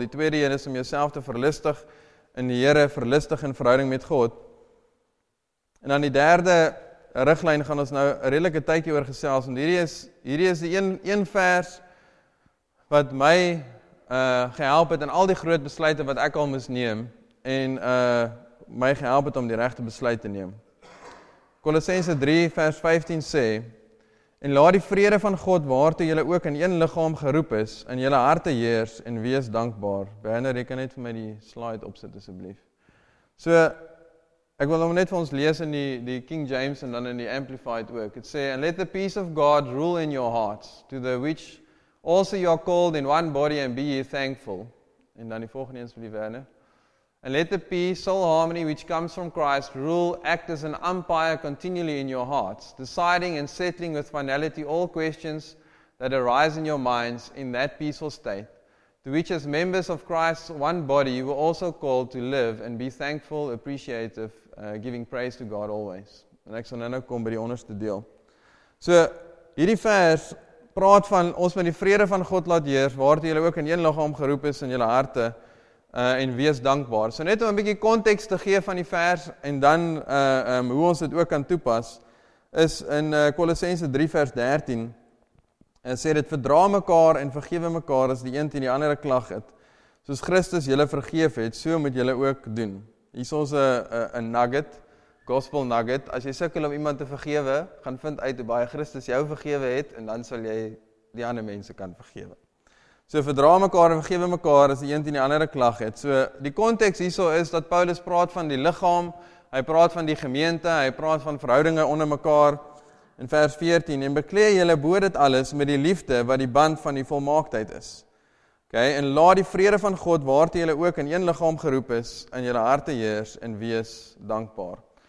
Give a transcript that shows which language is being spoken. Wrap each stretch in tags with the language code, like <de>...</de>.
<af>Die tweede een is om jouself te verlustig in die Here, verlustig in verhouding met God. En dan die derde riglyn gaan ons nou 'n redelike tydjie oor gesels, want hierdie is die een vers wat my gehelp het in al die groot besluite wat ek al moes neem en my gehelp het om die regte besluit te neem. Kolossense 3 vers 15 sê, en laat die vrede van God waartoe julle ook in een liggaam geroep is, in julle harte heers en wees dankbaar. Werner, jy kan net vir my die slide opsit asseblief. So, ek wil hom net vir ons lees in die King James en dan in die Amplified ook.</af> <en>It sê, and let the peace of God rule in your hearts, to the which also you are called in one body and be ye thankful.</en> <af>En dan die volgende eens vir die Werner.</af> <en>And let the peace, soul harmony, which comes from Christ, rule, act as an umpire continually in your hearts, deciding and settling with finality all questions that arise in your minds in that peaceful state, to which as members of Christ's one body, you were also called to live and be thankful, appreciative, giving praise to God always.</en> <af>And ek sal nou kom by die onderste deel. So, hierdie vers praat van, ons met die vrede van God laat heers, waartoe julle ook in een liggaam geroep is in julle harte, en wees dankbaar. So net om 'n bietjie konteks te gee van die vers en dan hoe ons dit ook kan toepas is in Kolossense 3 vers 13 en sê dit verdra mekaar en vergewe mekaar as die een teen die ander klag het. Soos Christus julle vergeef het, so moet julle ook doen. Hier is ons 'n nugget, gospel nugget. As jy sukkel om iemand te vergewe, gaan vind uit hoe baie Christus jou vergewe het en dan sal jy die ander mense kan vergewe. So verdra mekaar en vergewe mekaar as die een teen die ander klag het. So die konteks hierso is dat Paulus praat van die liggaam, hy praat van die gemeente, hy praat van verhoudinge onder mekaar. In vers 14, en bekleë julle bo dit alles met die liefde wat die band van die volmaaktheid is. Okay, en laat die vrede van God waartoe julle ook in een liggaam geroep is, in julle harte heers en wees dankbaar.</af>